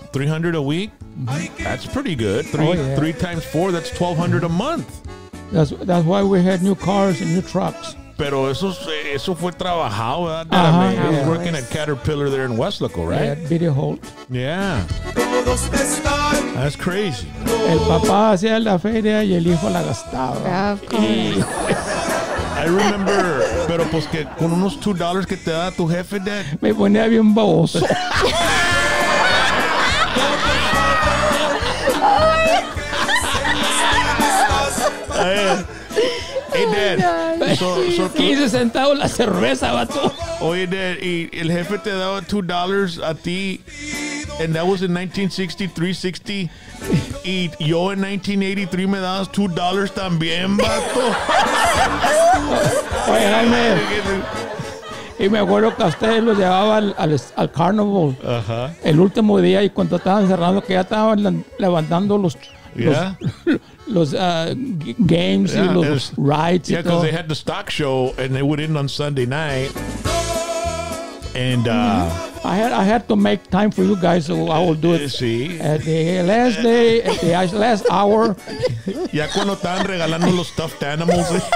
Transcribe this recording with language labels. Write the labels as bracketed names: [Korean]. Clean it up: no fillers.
[English] $300 a week? Mm-hmm. That's pretty good. Three times four, that's $1,200 a month. That's why we had new cars and new trucks. [Spanish] Pero eso fue trabajado, ¿verdad? Uh-huh, [English] I was working at Caterpillar there in Weslaco, right? Yeah, Biddy Holt. Yeah. That's crazy. [Spanish] El papá hacía la feria y el hijo la gastaba. [English] I remember, [Spanish] pero pues que con unos $2 que te da tu jefe, Dad. Me ponía bien baboso. [English] Hey, Dad. So [Spanish] 15 centavos la cerveza, vato. Oye, Dad, y el jefe te daba $2 a ti, [English] and that was in 1963, 60. [Spanish] Y yo en 1983 me dabas $2 también, vato. Oye, Jaime. Y me acuerdo que a ustedes los llevaba al carnival. Ajá. Uh-huh. El último día, y cuando estaban cerrando, que ya estaban levantando los. [English] Yeah. Los games yeah, and los was, rides. Yeah, because they had the stock show and they would end on Sunday night. And I had to make time for you guys, so I will do it. See. At the last day, at the last hour. [Spanish] Ya cuando estaban regalando los stuffed animals.